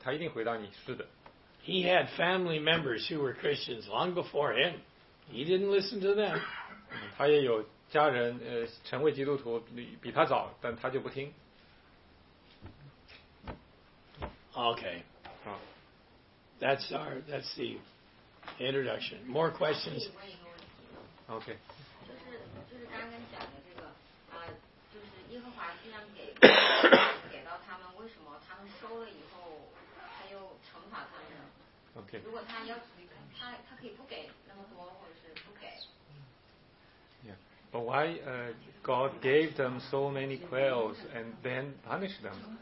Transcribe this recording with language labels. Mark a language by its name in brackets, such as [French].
[Chinese] 他一定回答你是的。 [English] He had family members who were Christians long before him. He didn't listen to them. [Chinese] 他也有家人成为基督徒比他早，但他就不听。 [English] Okay. That's the introduction. More questions? Okay. [Chinese] 就是刚刚讲的这个，就是因为耶和华这样给到他们，为什么他们收了以后他又惩罚他们？ [English] OK， [Chinese] 如果他要他可以不给那么多，或者是不给。 [English] But why God gave them so many quails and then punished them?